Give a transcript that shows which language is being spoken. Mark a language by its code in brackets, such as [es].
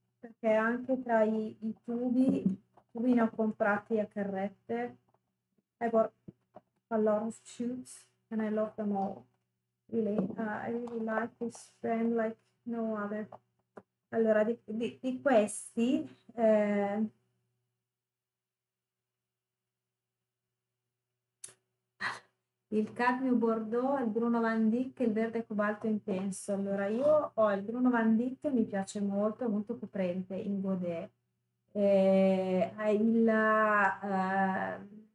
[it] Perché anche tra i tubi ne ho comprati a carrette. [en] I bought a lot of tubes and I love them all. Really, I really like this brand like no other. [it] Allora, di questi, il cadmio Bordeaux, il bruno Van Dyck e il verde cobalto intenso. Allora, io ho il bruno Van Dyck, mi piace molto, è molto coprente in godè. È il